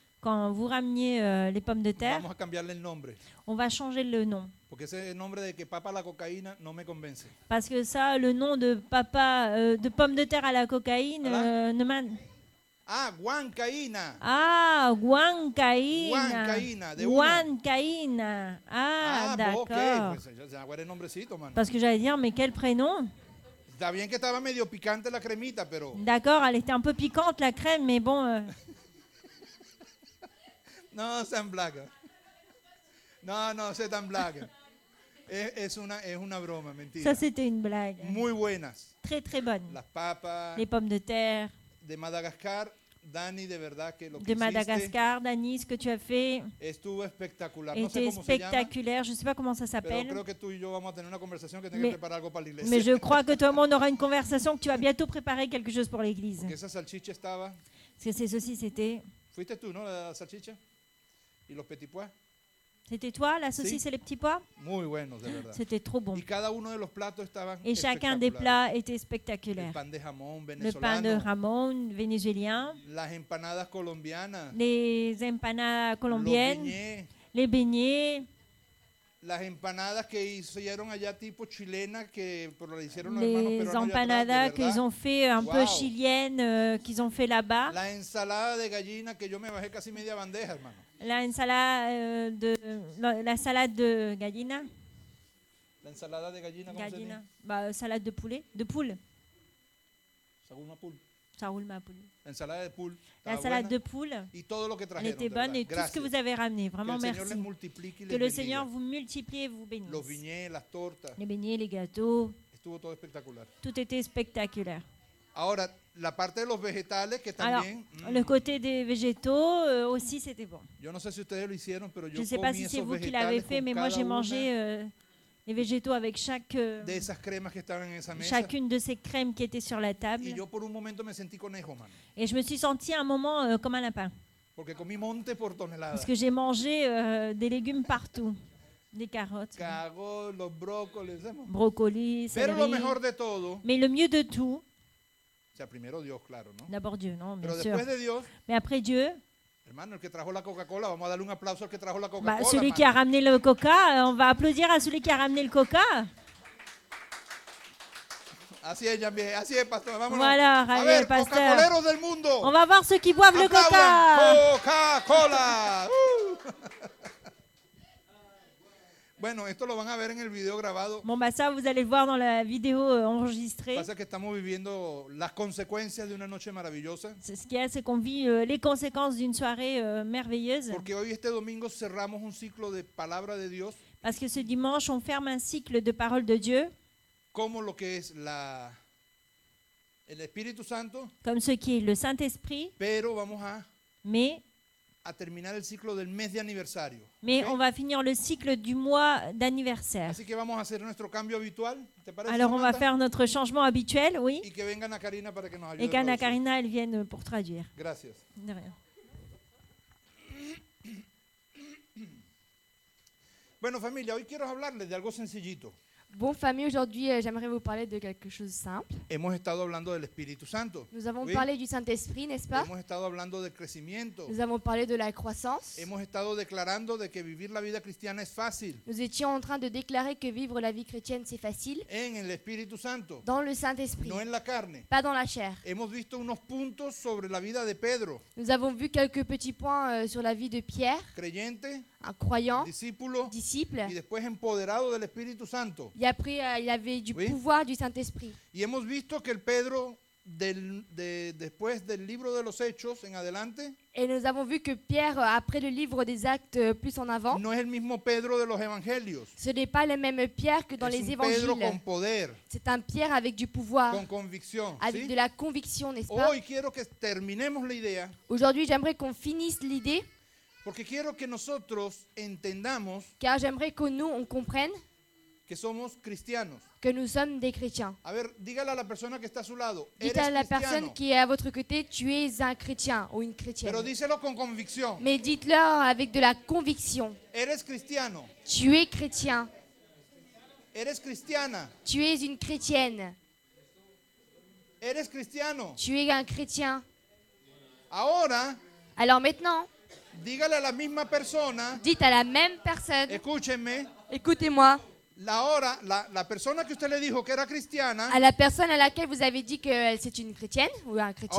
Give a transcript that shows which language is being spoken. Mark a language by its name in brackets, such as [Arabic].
[French] Quand vous ramenez les pommes de terre. [Spanish] Vamos a cambiarle el nombre. [French] On va changer le nom. [Spanish] Porque ese nombre de que papa la cocaína no me convence. [French] Parce que ça, le nom de papa de pommes de terre à la cocaïne ne m'a. [Spanish] Ah, guancaína. Ah, guancaína. Guancaína. [French] Guancaína. Ah, d'accord. [Spanish] Okay. Pues, el nombrecito, man. [French] Parce que j'allais dire, mais quel prénom? [Spanish] Está bien que estaba medio picante la cremita, pero. [French] D'accord, elle était un peu piquante la crème, mais bon. [Spanish] No, sean blagas. No, no, sean tan blagas. Es una broma, mentira. [French] Ça, c'était une blague. [Spanish] Muy buenas. [French] Très, très bonnes. [Spanish] Las papas. [French] Les pommes de terre. [Spanish] De Madagascar, Dani, de verdad que lo que de Madagascar, hiciste. [French] De Madagascar, Dani, ce que tu as fait. [Spanish] Estuvo espectacular. [French] Était [Spanish] no sé cómo [French] espectaculaire. je ne sais pas comment ça s'appelle. [Spanish] Pero creo que tú y yo vamos a tener una conversación que tengo que preparar algo para la iglesia. [French] Mais je crois que toi et moi, on aura une conversation que tu vas bientôt préparer quelque chose pour l'église. [Spanish] Porque esa salchicha estaba. [French] Parce que ces saucisses étaient. [Spanish] Fuiste tú, ¿no? La salchicha. Y los petits pois. [French] C'était toi, la saucisse, [Spanish] sí. [French] Et les petits pois. [Spanish] Muy bueno, de verdad. [French] C'était trop bon. [Spanish] Y cada uno de los platos estaban. [French] Et chacun des plats était spectaculaire. [Spanish] El pan de jamón venezolano. [French] Le pain de jamón vénézuélien. [Spanish] Las empanadas colombianas. [French] Les empanadas colombiennes. [Spanish] Los beignets. [French] Les beignets. [Spanish] Las empanadas que hicieron allá tipo chilena que por lo hicieron [French] les empanadas que ils ont fait un wow. Peu chilienne qu'ils ont fait là-bas. [Spanish] La ensalada de gallina que yo me bajé casi media bandeja, hermano. La ensalada de [French] la salade de [Spanish] gallina. La ensalada de gallina, gallina. ¿Cómo se dice? Bah, [French] salade de poulet, de poule. Ça roule ma poule. Ça roule ma poule. [Spanish] Ensalada de poule. [French] La salade de poule. [Spanish] Y todo lo que trajeron. [French] Elle était bonne et tout ce que vous avez ramené, vraiment merci. [Spanish] Que el Señor les multiplique. [French] Que le Seigneur vous multiplie et vous bénisse. [Spanish] Los beignets, las tortas. [French] Les beignets, les gâteaux. [Spanish] Estuvo todo espectacular. [French] Tout était spectaculaire. [Spanish] Ahora, la parte de los vegetales que también. [French] Alors, le côté des végétaux aussi c'était bon. [Spanish] Yo no sé si ustedes lo hicieron, pero yo [French] je sais pas si c'est vous qui l'avez fait, mais moi j'ai mangé les végétaux avec chaque [Spanish] de esas cremas que estaban en esa mesa. [French] Chacune de ces crèmes qui étaient sur la table. [Spanish] Y yo por un momento me sentí conejo, man. [French] Et je me suis senti un moment comme un lapin. [Spanish] Porque comí monte por toneladas. [French] Parce que j'ai mangé des légumes partout. Des carottes. [Spanish] Cago, los brócolis, [French] brocolis, [Spanish] pero lo mejor de todo. [French] Mais le mieux de tout. [Spanish] O sea, primero Dios, claro, ¿no? [French] D'abord Dieu, non, bien [Spanish] pero [French] sûr. [Spanish] Después de Dios, [French] mais après Dieu. [Spanish] Hermano, el que trajo la Coca-Cola, vamos a darle un aplauso al que trajo la Coca-Cola. [French] Bah, celui qui a ramené le Coca, on va applaudir à celui qui a ramené le Coca. [Spanish] Así es, Jean-Bien, así es, pastor. Vámonos. [French] Voilà, [Spanish] a [French] allez, [Spanish] ver, [French] pasteur. [Spanish] Coca-Coleros del mundo. [French] On va voir ceux qui boivent le Coca. Coca-Cola. [Spanish] Bueno, esto lo van a ver en el video grabado. [French] Bon, bah ça, vous allez le voir dans la vidéo enregistrée. [Spanish] Pasa que estamos viviendo las consecuencias de una noche maravillosa. [French] C'est ce qu'il y a, c'est qu'on vit les conséquences d'une soirée merveilleuse. [Spanish] Porque hoy, este domingo, cerramos un ciclo de palabra de Dios. [French] Parce que ce dimanche, on ferme un cycle de parole de Dieu. [Spanish] Como lo que es la... el Espíritu Santo. [French] Comme ce qui est le Saint-Esprit. [Spanish] Pero vamos a... [French] Mais... [Spanish] a terminar el ciclo del mes de aniversario. [French] Mais okay? On va finir le cycle du mois d'anniversaire. [Spanish] Así que vamos a hacer nuestro cambio habitual, ¿te parece? [French] Alors on va faire notre changement habituel, oui. [Spanish] Y que venga Ana Karina para que nos ayude. [French] Et qu'Ana Karina elle vienne pour traduire. [Spanish] Gracias. [French] De rien. [Spanish] Bueno, familia, hoy quiero hablarles de algo sencillito. [French] Bon, famille, aujourd'hui, j'aimerais vous parler de quelque chose de simple. [Spanish] Hemos estado hablando del Espíritu Santo. [French] Nous avons oui. Parlé du Saint-Esprit, n'est-ce pas? [Spanish] Hemos estado hablando del crecimiento. [French] Nous avons parlé de la croissance. [Spanish] Hemos estado declarando de que vivir la vida cristiana es fácil. [French] Nous étions en train de déclarer que vivre la vie chrétienne, c'est facile. [Spanish] En el Espíritu Santo. [French] Dans le Saint-Esprit. [Spanish] No en la carne. [French] Pas dans la chair. [Spanish] Hemos visto unos puntos sobre la vida de Pedro. [French] Nous avons vu quelques petits points sur la vie de Pierre. [Spanish] Creyente. [French] Un croyant, [Spanish] discípulo, [French] disciple, [Spanish] y después empoderado del Espíritu Santo. [French] Y après, il avait du oui. Pouvoir du Saint-Esprit. [Spanish] Y hemos visto que el Pedro del, de, después del libro de los Hechos en adelante. [French] Et nous avons vu que Pierre, après le livre des Actes, plus en avant. [Spanish] No es el mismo Pedro de los Evangelios. [French] Ce n'est pas le même Pierre que dans [Spanish] es [French] les Évangiles. [Spanish] Pedro con poder. [French] C'est un Pierre avec du pouvoir. [Spanish] Con convicción. [French] Avec [Spanish] ¿sí? [French] De la conviction, n'est-ce pas? [Spanish] Hoy quiero que terminemos la idea. [French] Aujourd'hui, j'aimerais qu'on finisse l'idée. [Spanish] Porque quiero que nosotros entendamos [French] car j'aimerais que nous, on comprenne [Spanish] que somos cristianos. [French] Que nous sommes des chrétiens. [Spanish] A ver, dígale a la persona que está a su lado. [French] Dites [Spanish] eres [French] à la personne qui est à votre côté, tu es un chrétien ou une chrétienne. [Spanish] Pero díselo con convicción. [French] Mais dites-le avec de la conviction. [Spanish] Eres cristiano. [French] Tu es chrétien. [Spanish] Eres cristiana. [French] Tu es une chrétienne. [Spanish] Eres cristiano. [French] Tu es un chrétien. [Spanish] Ahora. [French] Alors maintenant. [Spanish] Dígale a la misma persona. [French] Dites à la même personne. [Spanish] Escúchenme. [French] Écoutez-moi. [Spanish] La persona que usted le dijo que era cristiana. [French] À la personne à laquelle vous avez dit que c'est une chrétienne ou un chrétien.